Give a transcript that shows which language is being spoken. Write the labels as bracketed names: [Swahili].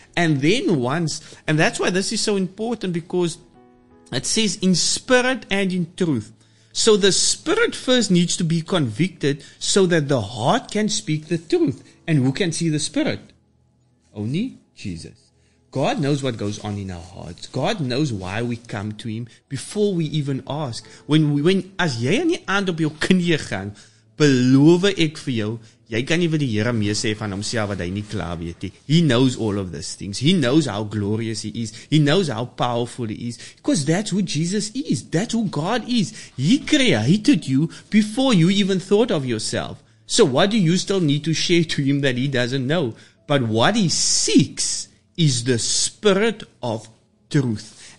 [English] And then once, and that's why this is so important, because it says in spirit and in truth. So the spirit first needs to be convicted so that the heart can speak the truth. And who can see the spirit? Only Jesus. God knows what goes on in our hearts. God knows why we come to Him before we even ask. [Afrikaans] When as jy in die aand op jou knie gaan, beloof ek vir jou, jy kan nie vir die Here mee sê van homself wat hy nie klaar weet nie. [English] He knows all of these things. He knows how glorious He is. He knows how powerful He is. Because that's who Jesus is. That's who God is. He created you before you even thought of yourself. So what do you still need to share to Him that He doesn't know? But what He seeks is the spirit of truth.